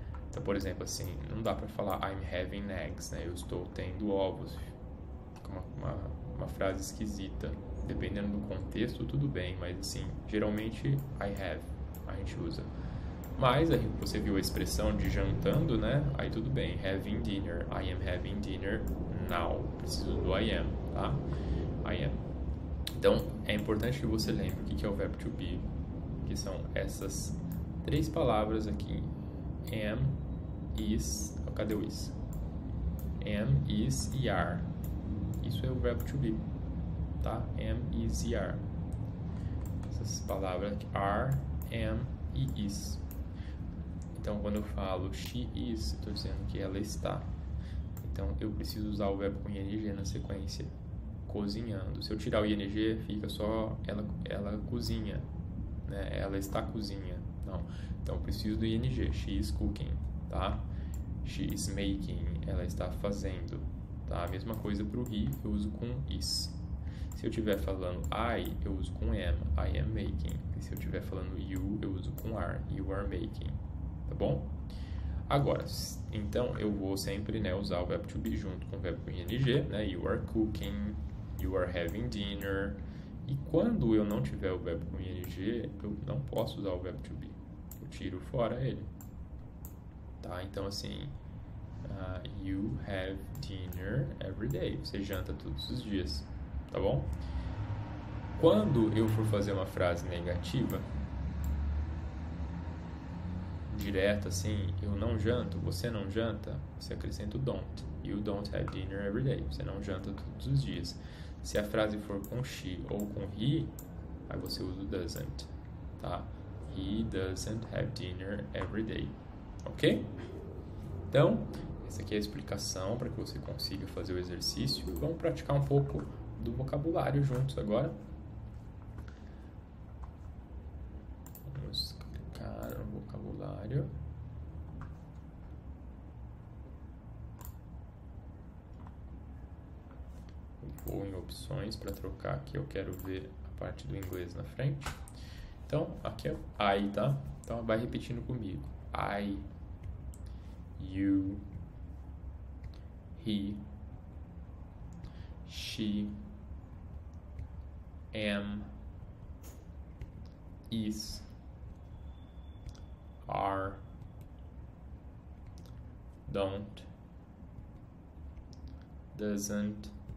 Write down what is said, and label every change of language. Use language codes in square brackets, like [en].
[pt] Então, por exemplo, assim, não dá pra falar [en] I'm having eggs, [pt] né? Eu estou tendo ovos. Fica uma frase esquisita. Dependendo do contexto, tudo bem, mas assim, geralmente I have, a gente usa. Mas aí você viu a expressão de jantando, né? Aí tudo bem, [en] having dinner, I am having dinner now. [pt] Preciso do I am, tá? I am. Então, é importante que você lembre o que é o verbo to be, que são essas três palavras aqui: am, is, cadê o is? Am, is e are. Isso é o verbo to be. Tá? Am, is e are. Essas palavras aqui, are, am e is. Então, quando eu falo [en] she is, [pt] estou dizendo que ela está. Então, eu preciso usar o verbo com ing na sequência. Cozinhando. Se eu tirar o ing, fica só ela cozinha. Né? Ela está cozinha. Não. Então, eu preciso do ing. [en] She is cooking. [pt] Tá? [en] She is making. [pt] Ela está fazendo. Tá? A mesma coisa para o he, eu uso com is. Se eu estiver falando I, eu uso com am, [en] I am making. [pt] E se eu estiver falando you, eu uso com are, [en] you are making. [pt] Tá bom? Agora, então eu vou sempre, né, usar o verbo to be junto com o verbo ing, né? [en] You are cooking, you are having dinner. [pt] E quando eu não tiver o verbo com ing, eu não posso usar o verbo to be. Eu tiro fora ele. Tá? Então assim, [en] you have dinner every day. [pt] Você janta todos os dias. Tá bom? Quando eu for fazer uma frase negativa, direto assim, eu não janto, você não janta, você acrescenta o don't. [en] You don't have dinner every day. [pt] Você não janta todos os dias. Se a frase for com she ou com he, aí você usa o doesn't. Tá? [en] He doesn't have dinner every day. [pt] Ok? Então, essa aqui é a explicação para que você consiga fazer o exercício. Vamos praticar um pouco do vocabulário juntos agora. Vamos clicar no vocabulário. Vou em opções para trocar aqui. Eu quero ver a parte do inglês na frente. Então, aqui é I, tá? Então, vai repetindo comigo. [en] I, you, he, she, am, is, are, don't, doesn't,